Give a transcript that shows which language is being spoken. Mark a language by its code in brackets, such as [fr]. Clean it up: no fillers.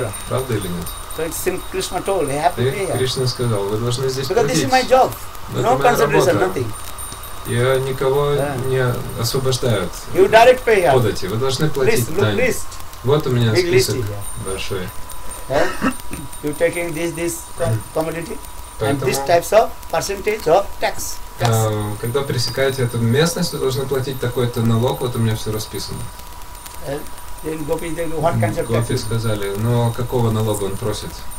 [ru] Правда или нет? [en] So it's simple. Krishna told, you have to pay. [ru] Кришна сказал, вы должны здесь платить. [en] Because this is my job. [ru] Но [en] no consideration, nothing. [ru] Я никого не освобождаю. [en] You direct pay here. [ru] Подайте, вы должны платить дань. [en] Look list. [ru] Вот у меня список большой. [en] You taking this commodity and this types of percentage of tax. [ru] Когда пересекаете эту местность, вы должны платить такой-то налог, вот у меня все расписано. Гопи сказали, но какого налога он просит?